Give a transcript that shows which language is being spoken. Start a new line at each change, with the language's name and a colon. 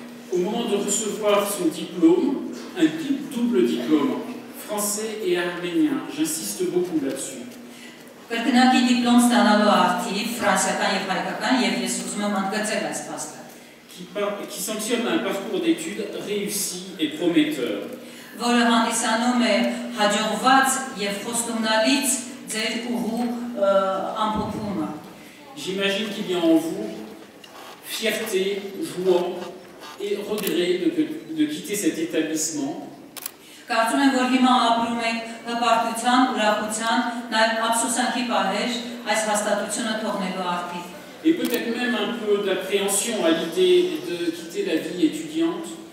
French: Au moment de recevoir son diplôme, un double diplôme, français et arménien, j'insiste beaucoup là-dessus.
Armenian: Կրկնակի դիպլոմ ստանալու արդիվ ֆրանսիական եւ հայկական եւ ես ուզում եմ ընդգծել այս փաստը։
French: Qui sanctionne un parcours d'études réussi et prometteur.
Armenian: Որը հանդիսանում է հաջողված եւ խոստումնալից ձեր ուղու ամփոփումը։
French: J'imagine qu'il y a en vous fierté, joie et regret de quitter cet établissement.
Armenian: Կարծում եմ, որ հիմա ապրում եք հպարտության, ուրախության, նաև ափսոսանքի պահեր այս հաստատությունը թողնելու արդի։
French: et peut-être même un peu d'appréhension à l'idée de quitter la vie étudiante.